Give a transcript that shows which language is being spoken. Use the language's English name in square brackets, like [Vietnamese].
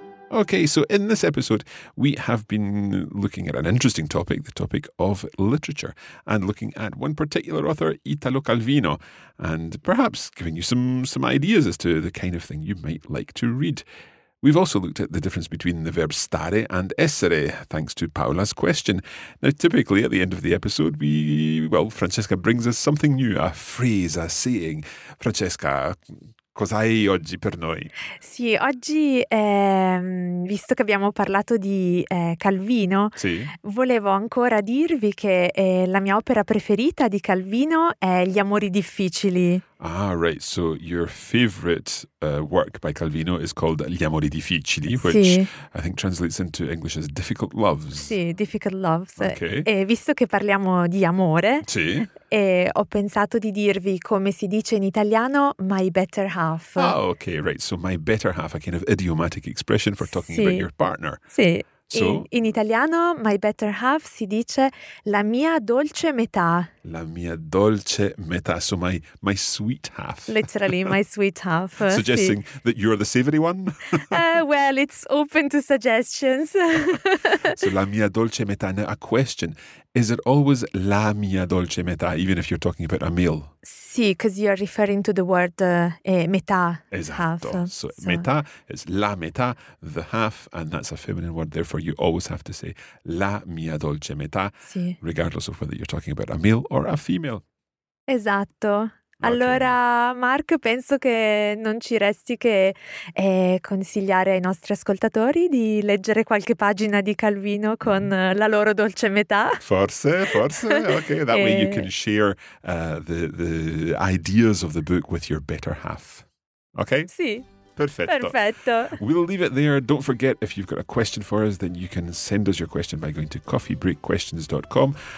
[English] Okay, so in this episode, we have been looking at an interesting topic, the topic of literature, and looking at one particular author, Italo Calvino, and perhaps giving you some ideas as to the kind of thing you might like to read. We've also looked at the difference between the verbs stare and essere, thanks to Paola's question. Now, typically, at the end of the episode, Francesca brings us something new, a phrase, a saying. [Italian] Francesca, cosa hai oggi per noi? Sì, oggi, visto che abbiamo parlato di Calvino, sì, volevo ancora dirvi che la mia opera preferita di Calvino è Gli amori difficili. [English] Ah, right. So your favorite work by Calvino is called Gli amori difficili, which I think translates into English as difficult loves. Sì, difficult loves. Okay. [Italian] E visto che parliamo di amore, sì, e ho pensato di dirvi come si dice in italiano [English] my better half. Ah, okay, right. So my better half, a kind of idiomatic expression for talking about your partner. [Italian] Sì. [English] So, [Italian] in italiano, [English] my better half [Italian] si dice la mia dolce metà. La mia dolce metà, [English] so my sweet half. Literally, my sweet half. Suggesting that you're the savory one? Well, it's open to suggestions. So [Italian] la mia dolce metà. [English] Now, a question, is it always la mia dolce metà, even if you're talking about a male? Sì, because you're referring to the word metà. [Italian] Esatto. [English] Half. So metà is la metà, the half, and that's a feminine word. Therefore, you always have to say [Italian] la mia dolce metà, [English] regardless of whether you're talking about a male or a female. [Italian] Esatto. Okay. Allora, Mark, penso che non ci resti che consigliare ai nostri ascoltatori di leggere qualche pagina di Calvino con la loro dolce metà. Forse. [English] Okay, that way you can share the ideas of the book with your better half. Okay? [Italian] Sì. [English] Perfetto. We'll leave it there. Don't forget, if you've got a question for us, then you can send us your question by going to coffeebreakquestions.com.